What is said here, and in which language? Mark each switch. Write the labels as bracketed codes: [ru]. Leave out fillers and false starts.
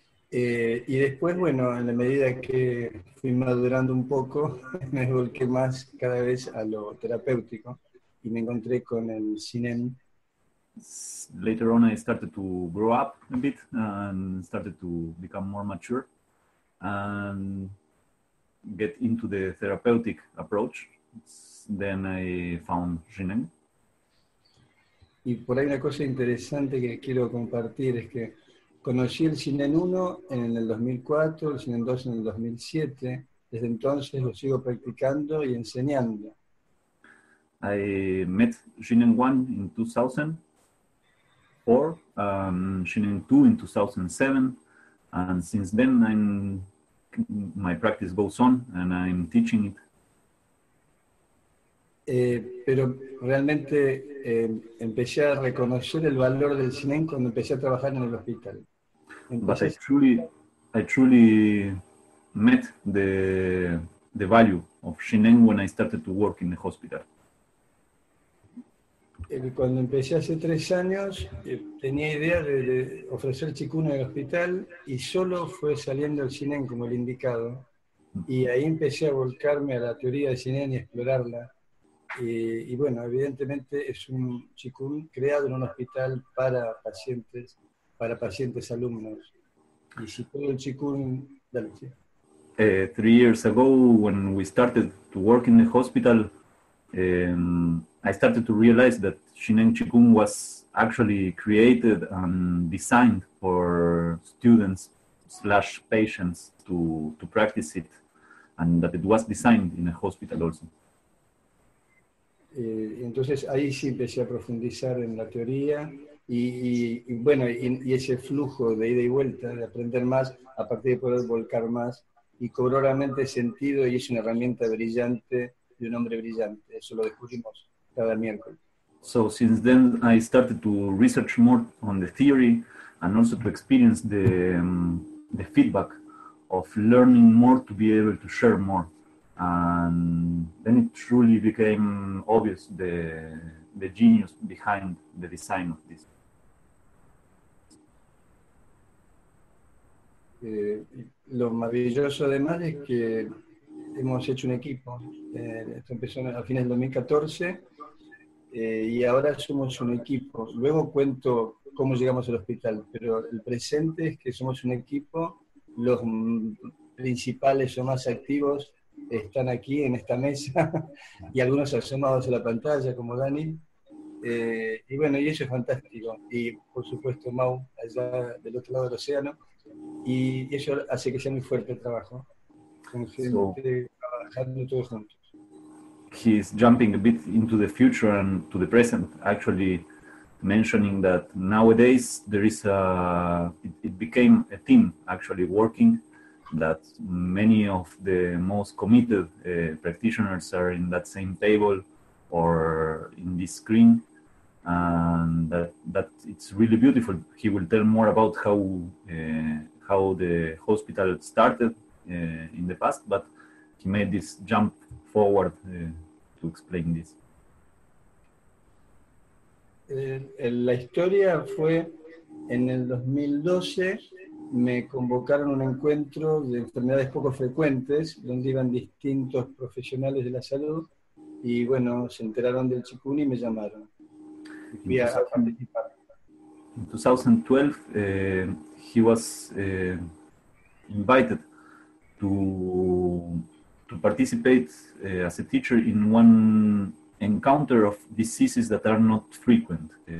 [es] Y después, bueno, en la medida que fui madurando un poco, me volqué más cada vez a lo terapéutico. Y me encontré con el Shinen. [en] Later on, I started to grow up a bit and started to become more mature and get into the therapeutic approach. Then I found Shinen. [es] Y por ahí una cosa interesante que quiero compartir es que conocí el Shinen 1 en el 2004, el Shinen 2 en el 2007. Desde entonces lo sigo practicando y enseñando. [en] I met Shinen 1 in 2004, Shinen 2 in 2007, and since then my practice goes on and I'm teaching it. [es] Pero realmente empecé a reconocer el valor del Shinen cuando empecé a trabajar en el hospital. [en] I truly met the value of Shinen when I started to work in the hospital. [es] Cuando empecé hace 3 años, tenía idea de ofrecer chikun en el hospital y solo fue saliendo el Shinen como el indicado. Y ahí empecé a volcarme a la teoría del Shinen y explorarla. Y bueno, evidentemente es un chikun creado en un hospital para pacientes alumnos. Y si todo el chikun... Dale, sí. [en] 3 years ago, when we started to work in the hospital, I started to realize that Shinen Qigong was actually created and designed for students/patients to practice it, and that it was designed in a hospital also. [es] Entonces ahí sí empecé a profundizar en la teoría y bueno, y ese flujo de ida y vuelta, de aprender más, a partir de poder volcar más, y cobró realmente sentido y es una herramienta brillante de un hombre brillante, eso lo descubrimos. [en] So since then I started to research more on the theory and also to experience the feedback of learning more to be able to share more. And then it truly became obvious the genius behind the design of this. [es] Lo maravilloso además es que hemos hecho un equipo. Esto empezó a fines del 2014. Y ahora somos un equipo. Luego cuento cómo llegamos al hospital, pero el presente es que somos un equipo, los principales o más activos están aquí en esta mesa y algunos asomados a la pantalla como Dani. Y bueno, y eso es fantástico. Y por supuesto Mau, allá del otro lado del océano. Y eso hace que sea muy fuerte el trabajo. Con gente trabajando todos juntos. [en] He's jumping a bit into the future and to the present, actually mentioning that nowadays there is a, it became a team actually working, that many of the most committed practitioners are in that same table or in this screen, and that it's really beautiful. He will tell more about how the hospital started in the past, but he made this jump forward to explain this. [es] La historia fue en el 2012, me convocaron a un encuentro de enfermedades poco frecuentes donde iban distintos profesionales de la salud y bueno, se enteraron del chikungunya y me llamaron. Fui a participar. [en] In 2012, he was invited to participate as a teacher in one encounter of diseases that are not frequent.